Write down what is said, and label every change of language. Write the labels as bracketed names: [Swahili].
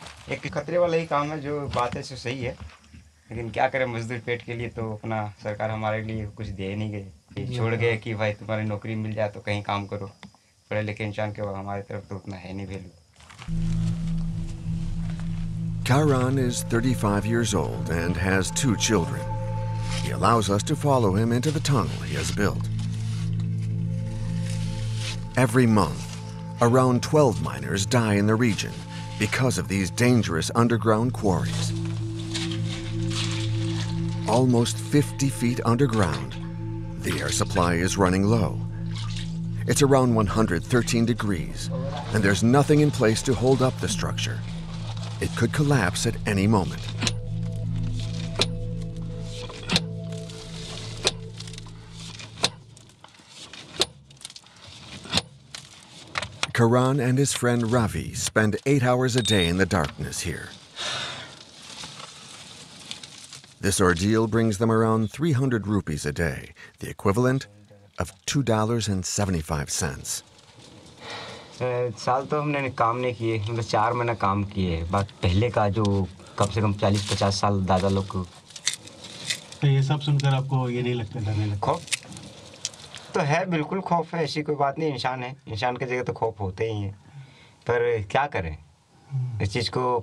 [Hindi] एक खतरे वाला ही काम है जो बात है सो सही है, लेकिन क्या करें, मजदूर पेट के लिए तो अपना सरकार हमारे लिए कुछ दे नहीं गए, छोड़ गए कि भाई तुम्हारी नौकरी मिल जाए तो कहीं काम करो, पढ़े लिखे इंसान के हमारी तरफ तो उतना है नहीं value. [English] Karan is 35 years old and has two children. He allows us to follow him into the tunnel he has built. Every month, around 12 miners die in the region because of these dangerous underground quarries. Almost 50 feet underground, the air supply is running low. It's around 113 degrees, and there's nothing in place to hold up the structure. It could collapse at any moment. Karan and his friend Ravi spend 8 hours a day in the darkness here. This ordeal brings them around 300 rupees a day, the equivalent of $2.75. [Hindi] साल तो हमने काम नहीं किए, मतलब 4 महीना काम किए. बात पहले का जो कम से कम 40-50 साल दादा लोग को. तो ये सब सुनकर आपको ये नहीं लगता डरने लगा? खौफ तो है, बिल्कुल खौफ है, ऐसी कोई बात नहीं, इंसान है, इंसान की जगह तो खौफ होते ही हैं, पर क्या करें इस चीज़ को.